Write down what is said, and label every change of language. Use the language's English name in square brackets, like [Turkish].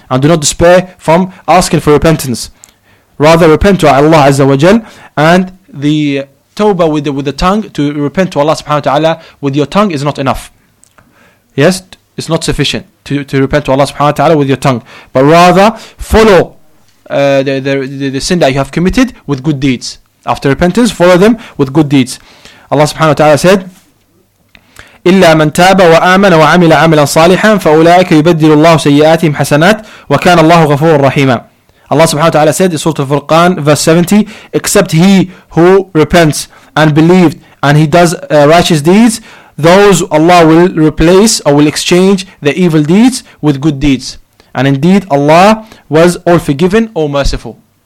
[English] And do not despair from asking for repentance. Rather, repent to Allah Azza wa Jal, and the tawbah with the tongue, to repent to Allah Subhanahu wa Taala with your tongue, is not enough. Yes. It's not sufficient to repent to Allah subhanahu wa ta'ala with your tongue. But rather, follow the sin that you have committed with good deeds. After repentance, follow them with good deeds. [Arabic] Allah subhanahu wa ta'ala said, إِلَّا مَنْ تَابَ وَآمَنَ وَعَمِلَ عَمِلًا صَالِحًا فَأُولَٰئِكَ يُبَدِّلُ اللَّهُ سَيِّئَاتِهِمْ حَسَنَاتٍ وَكَانَ اللَّهُ غَفُورٌ رَحِيمًا. [English] Allah subhanahu wa ta'ala said in Surah Al-Furqan, verse 70, except he who repents and believed and he does righteous deeds, those Allah will replace or will exchange the evil deeds with good deeds. And indeed, Allah was all forgiven, all merciful.